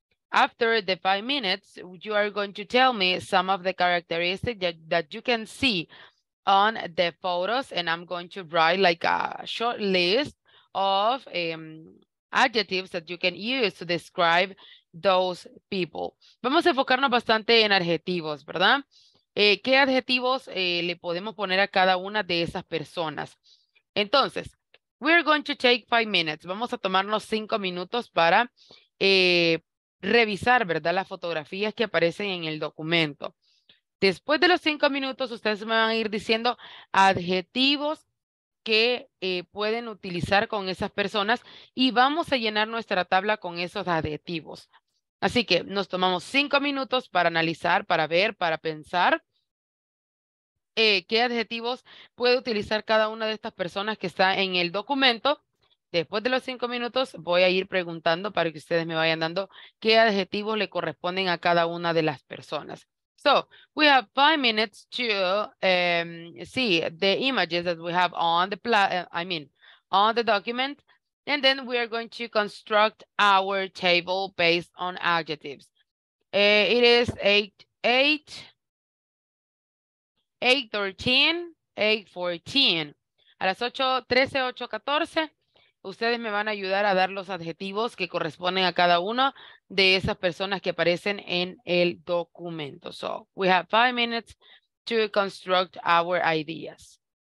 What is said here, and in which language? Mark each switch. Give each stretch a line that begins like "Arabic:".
English: After the 5 minutes, you are going to tell me some of the characteristics that you can see on the photos, and I'm going to write like a short list of adjectives that you can use to describe those people.
Spanish: Vamos a enfocarnos bastante en adjetivos, ¿verdad? ¿Qué adjetivos le podemos poner a cada una de esas personas? Entonces,
English: we're going to take 5 minutes.
Spanish: Vamos a tomarnos 5 minutos para revisar, ¿verdad? Las fotografías que aparecen en el documento. Después de los 5 minutos, ustedes me van a ir diciendo adjetivos que pueden utilizar con esas personas y vamos a llenar nuestra tabla con esos adjetivos. Así que nos tomamos 5 minutos para analizar, para ver, para pensar qué adjetivos puede utilizar cada una de estas personas que está en el documento. Después de los 5 minutos voy a ir preguntando para que ustedes me vayan dando qué adjetivos le corresponden a cada una de las personas.
English: So, we have 5 minutes to see the images that we have on the on the document. And then we are going to construct our table based on adjectives. It is 8:13, 8:14.
Spanish: A las 8:13, 8:14, ustedes me van a ayudar a dar los adjetivos que corresponden a cada una de esas personas que aparecen en el documento.
English: So we have 5 minutes to construct our ideas.